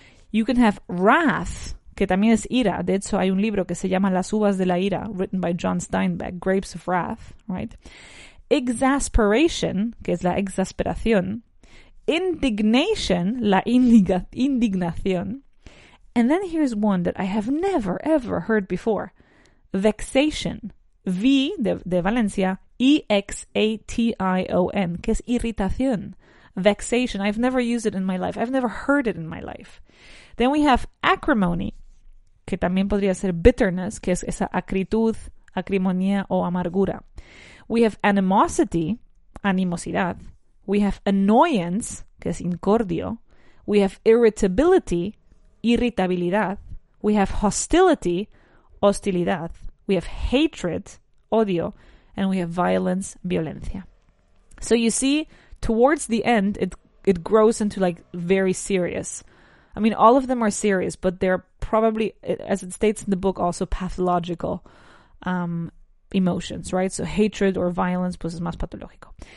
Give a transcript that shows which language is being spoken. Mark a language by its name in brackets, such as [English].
[English] You can have wrath, [Spanish] que también es ira. De hecho, hay un libro que se llama Las Uvas de la Ira, [English] written by John Steinbeck, Grapes of Wrath, right? Exasperation, [Spanish] que es la exasperación. [English] Indignation, [Spanish] la indignación. [English] And then here's one that I have never, ever heard before. Vexation. [Spanish] V, de Valencia, [English] E-X-A-T-I-O-N, [Spanish] que es irritación. [English] Vexation. I've never used it in my life. I've never heard it in my life. Then we have acrimony, [Spanish] que también podría ser [English] bitterness, [Spanish] que es esa acritud, acrimonía o amargura. [English] We have animosity, [Spanish] animosidad. [English] We have annoyance, [Spanish] que es incordio. [English] We have irritability, [Spanish] irritabilidad. [English] We have hostility, [Spanish] hostilidad. [English] We have hatred, [Spanish] odio. [English] And we have violence, [Spanish] violencia. [English] So you see, towards the end, it grows into like very serious. I mean, all of them are serious, but they're probably, as it states in the book, also pathological emotions, right? So hatred or violence, [Spanish] pues es más patológico.